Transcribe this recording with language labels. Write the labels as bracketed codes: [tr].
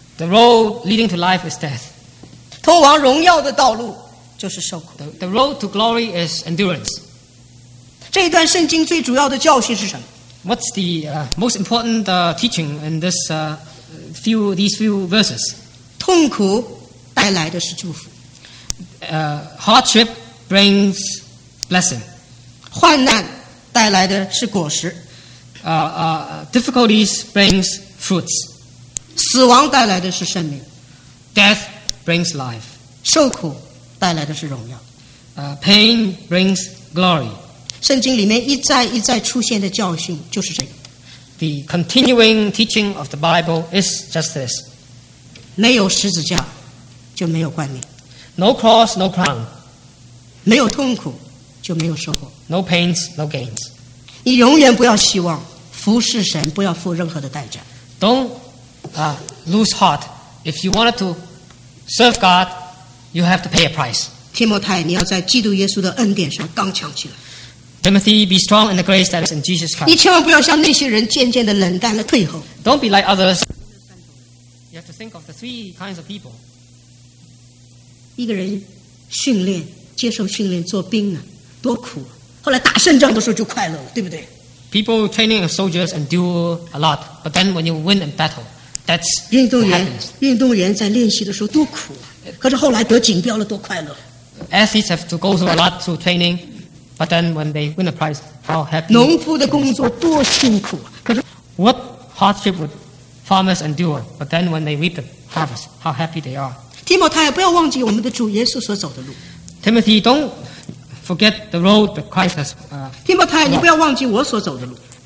[en] The road leading to life is death. [zh] 通往荣耀的道路就是受苦。 [en] The road to glory is endurance. [zh] 这一段圣经最主要的教训是什么？ [en] What's the most important teaching in these few verses? [zh] 痛苦带来的是祝福。 [en] Hardship brings blessing. [zh] 患难带来的是果实。 [en] Difficulties brings fruits. [zh] 死亡带来的是生命。 [en] Death brings life. [zh] 受苦带来的是荣耀。 [en] Pain brings glory. [zh] 圣经里面一再一再出现的教训就是这个。 [en] The continuing teaching of the Bible is just this. [zh] 没有十字架就没有冠冕。 [en] No cross, no crown. [zh] 没有痛苦就没有收获。 [en] No pains, no gains. [zh] 你永远不要希望服侍神不要付任何的代价。 [en] Don't lose heart. If you wanted to serve God, you have to pay a price. [zh] 提摩太，你要在基督耶稣的恩典上刚强起来。 [en] Timothy, be strong in the grace that is in Jesus Christ. [zh] 你千万不要像那些人渐渐的冷淡了退后。 [en] Don't be like others. You have to think of the three kinds of people. [zh] 一个人训练，接受训练做兵啊，多苦啊。后来打胜仗的时候就快乐了，对不对？ [en] People training as soldiers endure a lot, but then when you win in battle, that's what happens. [zh] 运动员在练习的时候多苦啊，可是后来得锦标了多快乐。 [en] Athletes have to go through a lot through training, but then when they win a prize, how happy. [zh] 农夫的工作多辛苦啊，可是 [en] What hardship would farmers endure, but then when they reap the harvest, how happy they are. [zh] 提摩太，不要忘记我们的主耶稣所走的路。 [en] Timothy, don't forget the road that Christ has. [zh] 提摩太，你不要忘记我所走的路。